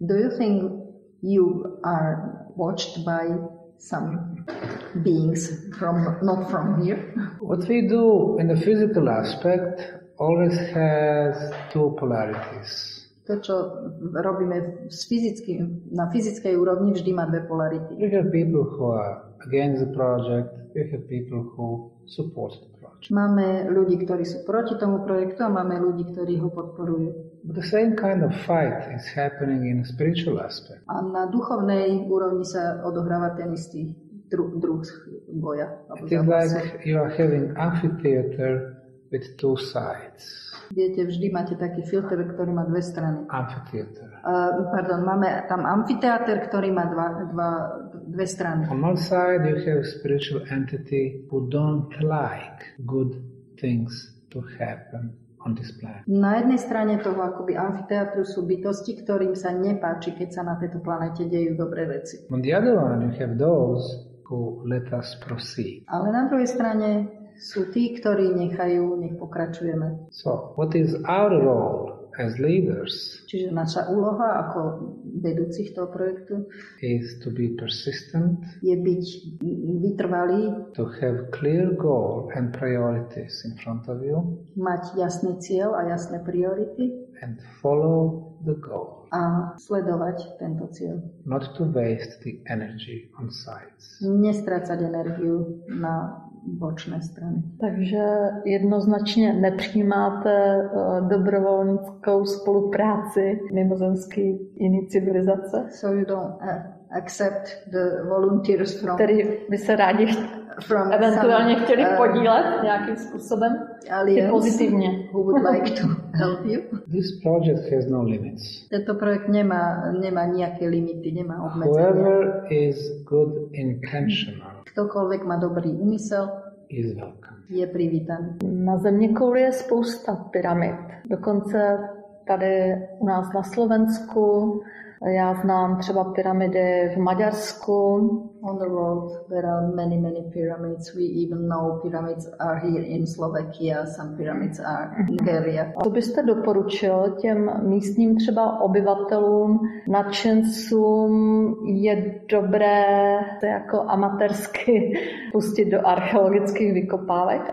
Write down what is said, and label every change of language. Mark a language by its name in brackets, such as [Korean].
[English] Do you think you are watched by some beings from not from here? What we do in the physical aspect always has two polarities. [Slovak] To, čo robíme s fyzickým, na fyzickej úrovni, vždy má dve polarity. [English] You have people who are against the project, you have people who support the project. [Slovak] Máme ľudí, ktorí sú proti tomu projektu a máme ľudí, ktorí ho podporujú. [English] But the same kind of fight is happening in a spiritual aspect. [Slovak] A na duchovnej úrovni sa odohráva ten istý druh boja. [English] It is like you are having amphitheater with two sides. [Slovak] Viete, vždy máte taký filter, ktorý má dve strany. [English] Amphitheater. [Slovak] Pardon, máme tam amfiteáter, ktorý má dve strany. [English] On one side you have a spiritual entity who don't like good things to happen on this planet. [Slovak] Na jednej strane toho akoby amfiteátru sú bytosti, ktorým sa nepáči, keď sa na tejto planete dejú dobré veci. [English] On the other one you have those who let us proceed. [Slovak] Ale na druhej strane sú tí, ktorí nechajú, nech pokračujeme. [English] So, what is our role as leaders? [Slovak] Čiže naša úloha ako vedúcich toho projektu [English] is to be persistent, [Slovak] je byť vytrvalý, [English] to have clear goal and priorities in front of you, [Slovak] mať jasný cieľ a jasné priority [English] and follow the goal. [Slovak] A sledovať tento cieľ. [English] Not to waste the energy on sides. [Slovak] Nestrácať energiu na bočné strany. [Czech] Takže jednoznačne nepřijímáte dobrovoľníckou spolupráci mimozemské iné civilizace. [English] So you don't accept the volunteers from, [Slovak] ktorí by sa rádi [English] from [Slovak] eventuálne [English] some, [Czech] chtěli podílet [Slovak] nejakým spôsobem [English] aliens, [Slovak] pozitívne. [English] Who would like to help you? This project has no limits. [Slovak] Tento projekt nemá nejaké limity, nemá obmedzenia. [English] Whoever is good intentional. [Slovak] Ktokoľvek má dobrý úmysel, [English] is welcome. [Slovak] Je privítaný. [Czech] Na zeměkouli je spousta pyramid. Dokonce tady u nás na Slovensku. Já znám třeba pyramidy v Maďarsku. [English] On the world there are many, many pyramids. We even know pyramids are here in Slovakia, some pyramids are in Hungary. [Czech] Co byste doporučil těm místním třeba obyvatelům, nadšencům, je dobré to jako amatérsky pustit do archeologických vykopávek?